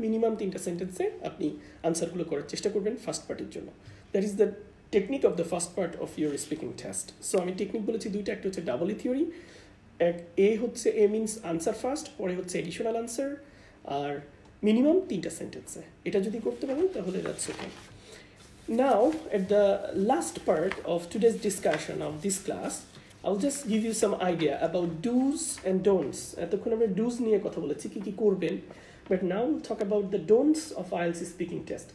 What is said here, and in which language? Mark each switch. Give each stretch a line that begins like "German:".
Bangla: Minimum তিনটা সেন্টেন্সে আপনি আনসারগুলো করার চেষ্টা করবেন ফার্স্ট পার্টের জন্য।
English: That is the technique of the first part of your speaking test.
Bangla: So আমি টেকনিক বলেছি দুইটা, একটা হচ্ছে ডাবল ই থিওরি, এক এ হচ্ছে এ মিনস আনসার ফার্স্ট, পরে হচ্ছে এডিশনাল আনসার, আর মিনিমাম তিনটা সেন্টেন্সে। এটা যদি করতে পারেন তাহলে
English: That's okay. Now, at the last part of today's discussion of this class, I'll just give you some idea about do's and don'ts.
Bangla: এতক্ষণ আমরা do's নিয়ে কথা বলেছি, কী কী করবেন, but
English: Now talk about the don'ts of IELTS speaking test.